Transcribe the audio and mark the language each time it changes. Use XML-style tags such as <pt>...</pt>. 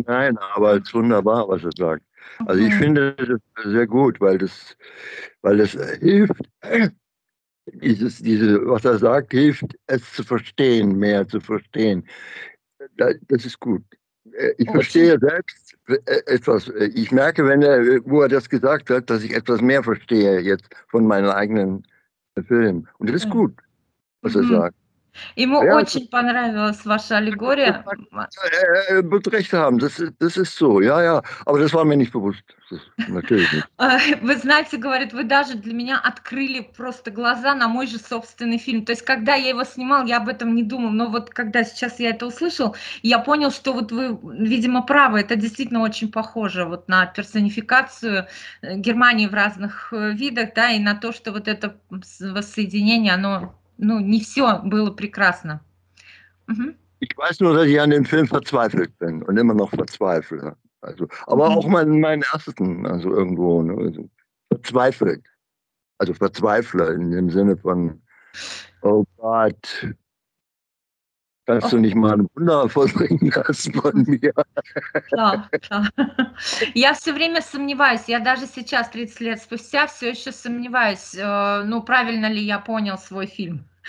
<de>Nein, aber es ist wunderbar, was er sagt. Also ich finde das sehr gut, weil das hilft, was er sagt, hilft es zu verstehen, mehr zu verstehen. Das ist gut. Ich verstehe selbst etwas. Ich merke, wo er das gesagt hat, dass ich etwas mehr verstehe jetzt von meinem eigenen Film. Und das ist gut, was er sagt.</de> <ru>Ему очень понравилась ваша аллегория.</ru> <de>Er wird recht haben, das ist so. Ja, ja, aber das war mir nicht bewusst.</de> <ru>Вы знаете, говорит, вы даже для меня открыли просто глаза на мой же собственный фильм. То есть, когда я его снимал, я об этом не думал. Но вот когда сейчас я это услышал, я понял, что вот вы, видимо, правы. Это действительно очень похоже вот на персонификацию Германии в разных видах, да, и на то, что вот это воссоединение, оно... Ну, не все было прекрасно.</ru> <de>Ich weiß nur, dass ich an dem Film verzweifelt bin und immer noch verzweifle. Also, aber auch meinen ersten, also irgendwo, ne, also, verzweifelt. Also verzweifle in dem Sinne von, oh Gott, kannst du nicht mal ein Wunder vollbringen lassen von mir?</de> <ru>Klar. Я все время сомневаюсь. Я даже сейчас, 30 лет спустя, все еще сомневаюсь, ну, правильно ли я понял свой фильм.</ru>